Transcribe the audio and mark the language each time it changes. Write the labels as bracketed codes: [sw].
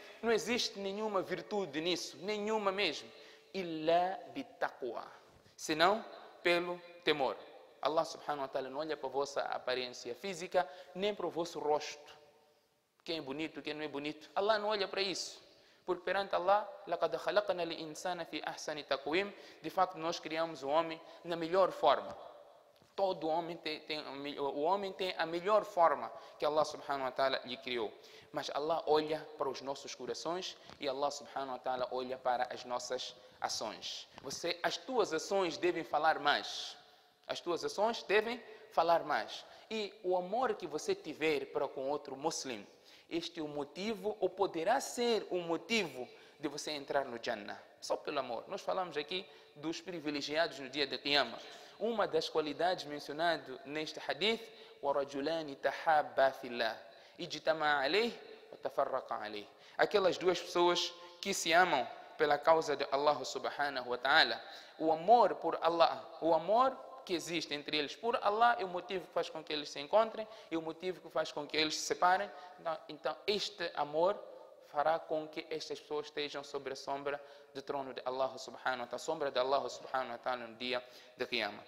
[pt] Não existe nenhuma virtude nisso, nenhuma mesmo. [ar] Illa bitaqwa, [pt] senão pelo temor. Allah subhanahu wa ta'ala não olha para a vossa aparência física, nem para o vosso rosto. Quem é bonito, quem não é bonito. Allah não olha para isso. Porque perante Allah, [ar] لَقَدْ خَلَقْنَا لِإِنسَانَ فِي أَحْسَنِ تَقْوِيمِ. [pt] De facto, nós criamos o homem na melhor forma. Todo homem tem a melhor forma que Allah subhanahu wa ta'ala lhe criou. Mas Allah olha para os nossos corações e Allah subhanahu wa ta'ala olha para as nossas ações. Você, as tuas ações devem falar mais. As tuas ações devem falar mais. E o amor que você tiver para com outro muçulmano, este é o motivo, ou poderá ser o motivo, de você entrar no Jannah. Só pelo amor. Nós falamos aqui dos privilegiados no dia de Qiyamah. Uma das qualidades mencionado neste hadith, [ar] وَرَجُلَانِ تَحَابَّ فِي اللَّهِ اجْتَمَعَ عَلَيْهِ وَتَفَرَّقَ عَلَيْهِ. [pt] Aquelas duas pessoas que se amam pela causa de Allah subhanahu wa ta'ala. O amor por Allah, o amor que existe entre eles por Allah, é o motivo que faz com que eles se encontrem, é o motivo que faz com que eles se separem. Então este amor fará com que estas pessoas estejam sobre a sombra do trono de Allah subhanahu wa ta'ala, sombra de Allah subhanahu wa ta'ala no dia de Qiyamah.